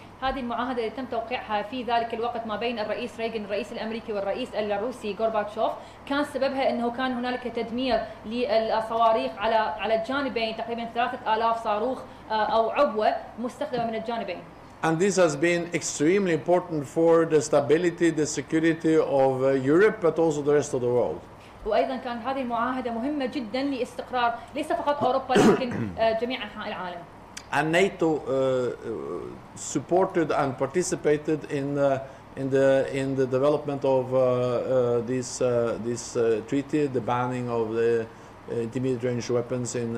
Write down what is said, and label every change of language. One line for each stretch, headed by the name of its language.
Arabic: هذه المعاهدة التي تم توقيعها في ذلك الوقت ما بين الرئيس ريغان الرئيس الأمريكي والرئيس الروسي غورباتشوف كان سببها أنه كان هنالك تدمير للصواريخ على الجانبين تقريبا 3,000 صاروخ أو عبوة مستخدمة من الجانبين.
English: And this has been extremely important for the stability, the security of Europe, but also the rest of the world.
Arabic: وأيضا كان هذه المعاهدة مهمة جدا لاستقرار ليس فقط أوروبا لكن جميع أنحاء العالم.
English: And NATO supported and participated in the development of this treaty, the banning of the intermediate range weapons in